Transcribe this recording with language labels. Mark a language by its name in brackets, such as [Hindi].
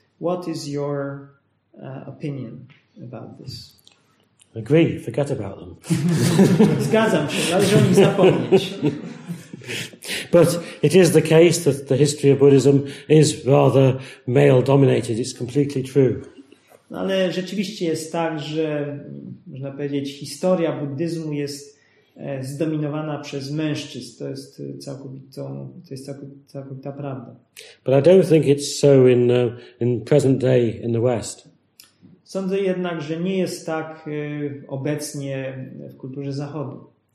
[English] What is your opinion about this? Agree, forget about them. [Polish] Zgadzam się, należy o nich zapomnieć. [English] But it is the case that the history of Buddhism is rather male-dominated. It's completely true. [Polish] No ale rzeczywiście jest tak, że można powiedzieć, historia buddyzmu jest zdominowana przez mężczyzn. To jest całkowitą, całkowita prawda. [English] But I don't think it's so in present day in the West. [Polish] Sądzę jednak, że nie jest tak obecnie w kulturze zachodu.